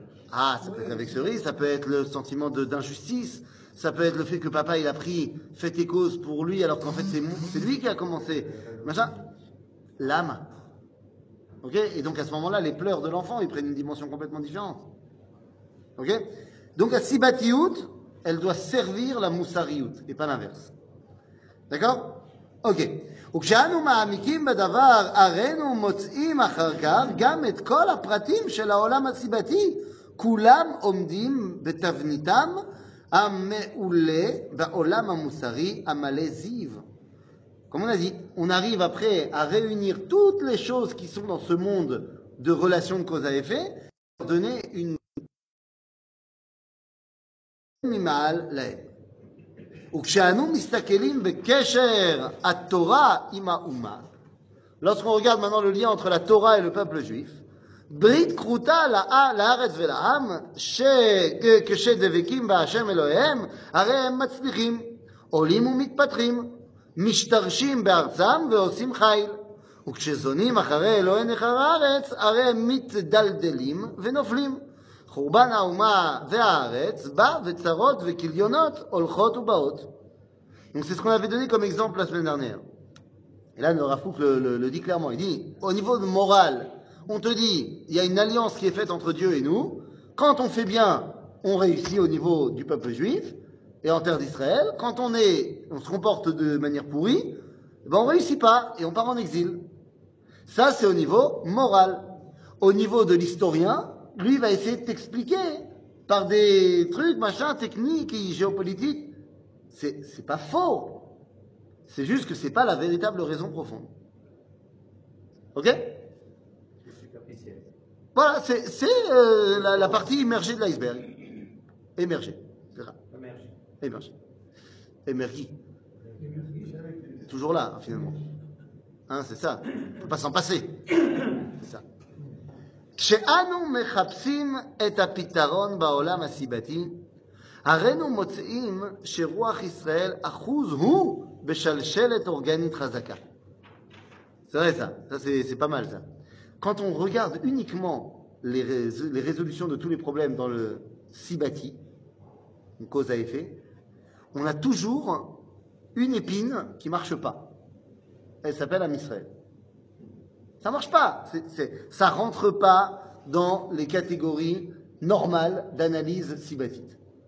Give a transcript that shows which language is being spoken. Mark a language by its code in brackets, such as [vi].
[fr] Ah, ça peut être la vexerie, ça peut être le sentiment d'injustice, ça peut être le fait que papa, il a pris fait et cause pour lui, alors qu'en fait, c'est lui qui a commencé. Machin. L'âme. Ok? Et donc, à ce moment-là, les pleurs de l'enfant, ils prennent une dimension complètement différente. Ok? Donc, à Sibatiout, elle doit servir la Moussariout, et pas l'inverse. D'accord? Ok. [he] וכשאנו מעמיקים בדבר, הרינו מוצאים אחר כך גם את כל הפרטים של העולם הסיבתי, כולם עומדים בתבניתם המעולה בעולם המוסרי המלא זיו. [fr] Comme on a dit, on arrive après à réunir toutes les choses qui sont dans ce monde de relations de cause à effet, pour donner une animal là. [he] וכשאנו מסתכלים בקשר התורה עם האומה, [fr] lorsqu'on regarde maintenant le lien entre la Torah et le peuple juif, [he] ברית כרותה לארץ ולעם, כשדבקים בהשם אלוהיהם, הרי הם מצליחים, עולים ומתפתחים, משתרשים בארצם ועושים חיל, וכשזונים אחרי אלוהי נכר הארץ, הרי הם מתדלדלים ונופלים. חורבן האומה והארץ בא וצרות וכליונות הולכות ובאות. [fr] Donc c'est ce qu'on avait donné comme exemple la semaine dernière. Et là, le Rav Kook le dit clairement. Il dit, au niveau de morale, on te dit, il y a une alliance qui est faite entre Dieu et nous. Quand on fait bien, on réussit au niveau du peuple juif et en terre d'Israël. Quand on se comporte de manière pourrie, ben on ne réussit pas et on part en exil. Ça, c'est au niveau moral. Au niveau de l'historien, lui va essayer de t'expliquer par des trucs, machin, techniques et géopolitiques. C'est pas faux. C'est juste que c'est pas la véritable raison profonde. Ok? C'est superficiel. Voilà, c'est la partie immergée de l'iceberg. Émergée. Émergée. Émergée. Émergée. Toujours là, finalement. Hein, c'est ça. On peut pas s'en passer. C'est ça. [he] כשאנו מחפשים את הפתרון בעולם הסיבתי, הרינו מוצאים שרוח ישראל אחוז הוא בשלשלת אורגנית חזקה. זה לא זה, זה פעם על זה. [fr] Quand on regarde uniquement les résolutions de tous les problèmes dans le Sibati, une cause à effet, on a toujours une épine qui ne marche pas. Elle s'appelle Amisraël. Ça ne marche pas. Ça ne rentre pas dans les catégories normales d'analyse sibatite.